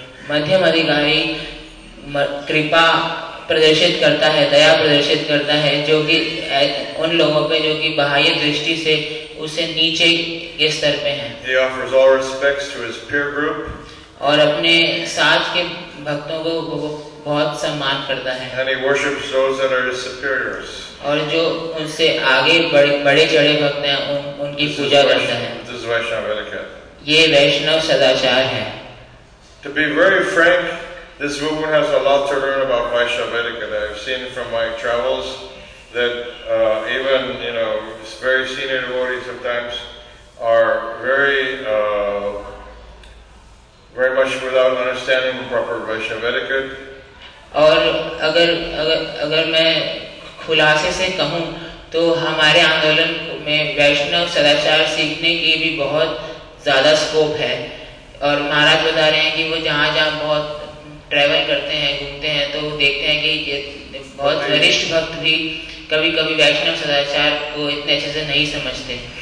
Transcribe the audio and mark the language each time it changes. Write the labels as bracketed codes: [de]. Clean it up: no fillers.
[hi] मध्यम अधिकारी कृपा प्रदर्शित करता है, दया प्रदर्शित करता है, जो कि उन लोगों पे जो कि बाह्य दृष्टि से उसे नीचे के स्तर पे हैं. [en] He offers all respects to his peer group. [hi] और अपने साथ के भक्तों को बहुत सम्मान करता है. [en] And he worships those that are his superiors. [hi] और जो उनसे आगे बड़े चढ़े भक्त हैं उनकी पूजा करता है. [en] This is Vaishnav etiquette. [hi] ये वैष्णव सदाचार है. [en] To be very frank, this movement has a lot to learn about Vaishnava etiquette. I've seen from my travels that even, you know, very senior devotees sometimes are very, very much without understanding proper Vaishnava etiquette. [hi] और अगर मैं खुलासे से कहूँ तो हमारे आंदोलन में वैष्णव सदाचार सीखने की भी बहुत ज़्यादा स्कोप है. और महाराज बता रहे हैं कि वो जहाँ जहाँ बहुत ट्रैवल करते हैं, घूमते हैं, तो देखते हैं कि बहुत वरिष्ठ भक्त भी कभी कभी वैष्णव सदाचार को इतने अच्छे से नहीं समझते.